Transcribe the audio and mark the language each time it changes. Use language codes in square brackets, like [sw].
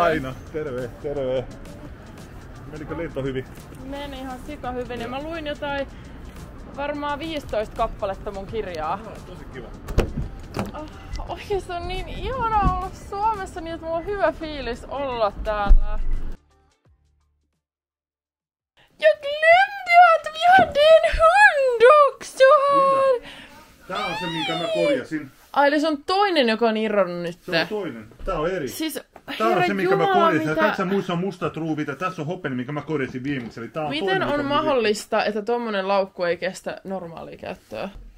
[fi] Aina. Terve, terve. Menikö lento hyvin? Meni ihan sika hyvin. Ja mä luin jotain varmaan 15 kappaletta mun kirjaa. No, tosi kiva. Oi, se on niin ihana olla Suomessa, niin että mulla on hyvä fiilis olla täällä. [sv] Jag glömde att vi hade en hund också! [fi] Tää on se, minkä mä korjasin. Ai, eli se on toinen, joka on irronnut nyt. Se on toinen. Tää on eri. Siis, tää on se, minkä mä korjasin. Mitä... Kaikissa muissa on mustat ruuvit ja tässä on hopeni, minkä mä korjasin viimeksi. Eli tää on miten toinen, on mahdollista, mun... että tommonen laukku ei kestä normaalia käyttöä?